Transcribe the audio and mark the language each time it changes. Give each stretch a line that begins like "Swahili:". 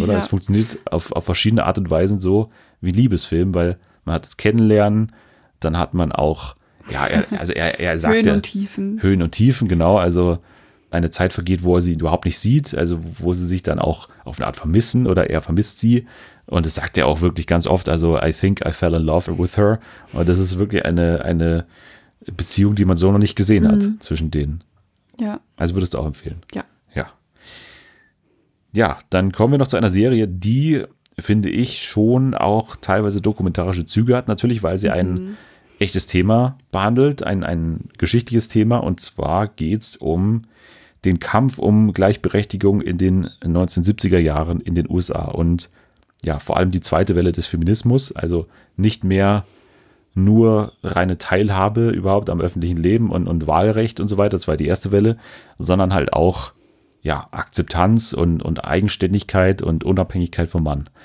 German: Oder es funktioniert auf verschiedene Art und Weisen so wie Liebesfilm, weil man hat es kennenlernen, dann hat man auch er sagt Höhen und Tiefen. Höhen und Tiefen, genau. Also eine Zeit vergeht, wo er sie überhaupt nicht sieht, also wo sie sich dann auch auf eine Art vermissen oder er vermisst sie. Und das sagt er auch wirklich ganz oft.
English: Also I think I fell in love with her.
German: Und das ist wirklich eine Beziehung, die man so noch nicht gesehen hat zwischen denen. Ja. Also würdest du auch empfehlen. Ja. Ja. Ja, dann kommen wir noch zu einer Serie, die, finde ich, schon auch teilweise dokumentarische Züge hat. Natürlich, weil sie einen echtes Thema behandelt, ein geschichtliches Thema, und zwar geht es um den Kampf um Gleichberechtigung in den 1970er Jahren in den USA und ja, vor allem die zweite Welle des Feminismus, also nicht mehr nur reine Teilhabe überhaupt am öffentlichen Leben und Wahlrecht und so weiter, das war die erste Welle, sondern halt auch ja, Akzeptanz und Eigenständigkeit und Unabhängigkeit vom Mann.